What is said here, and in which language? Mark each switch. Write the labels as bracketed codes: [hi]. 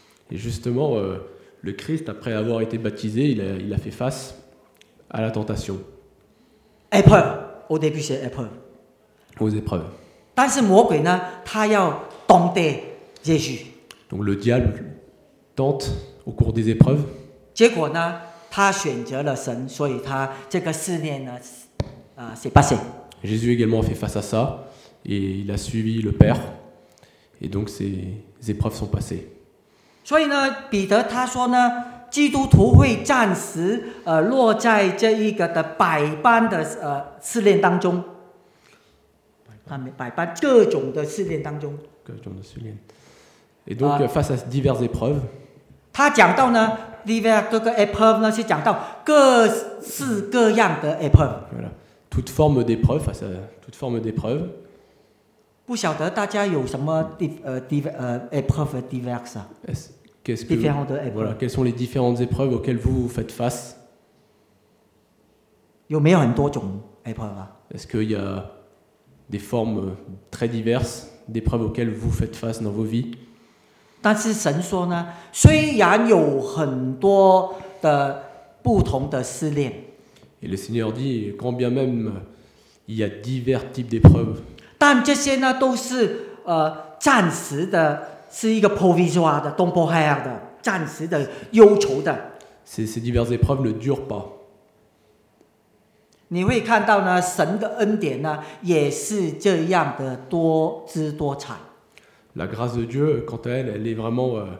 [fr] Et justement, le Christ après avoir été baptisé, il a fait face à la tentation. Épreuve, au début c'est épreuve. Aux épreuves. [zh] 但是魔鬼呢，他要动耶稣。 [fr] Donc le diable tente au cours des épreuves. [zh] 结果呢，他选择了神，所以他这个试炼呢，啊，失败。 [fr] Jésus également a fait face à ça et il a suivi le Père et donc ces épreuves sont passées. [zh] 所以呢，彼得他说呢，基督徒会暂时落在这一个的百般的试炼当中。他们百般各种的试炼当中，各种的试炼， [fr] et donc face à diverses épreuves， [zh] 他讲到呢 ，diverses 各个 épreuves 呢，是讲到各式各样的 épreuves。 [fr] Voilà. Toute forme d'épreuve face à toute forme d'épreuve。 [zh] 不晓得大家有什么 [fr] épreuves diverses？ Qu'est-ce que différentes épreuves？ Voilà, quelles sont les différentes épreuves auxquelles vous faites face？ [zh] 有没有很多种 épreuves 啊 [fr] ？Est-ce qu'il y a des formes très diverses d'épreuves auxquelles vous faites face dans vos vies？ [zh] 但是神说呢，虽然有很多的不同的试炼 [fr] ，et le Seigneur dit, quand bien même il y a divers types d'épreuves， [zh] 但这些呢都是暂时的，是一个 provisoire 的 temporaire 的暂时的忧愁的。 [fr] Ces diverses épreuves ne durent pas。 [zh] 你会看到呢，神的恩典呢也是这样的多姿多彩。 [fr] La grâce de Dieu, quant à elle, elle est vraiment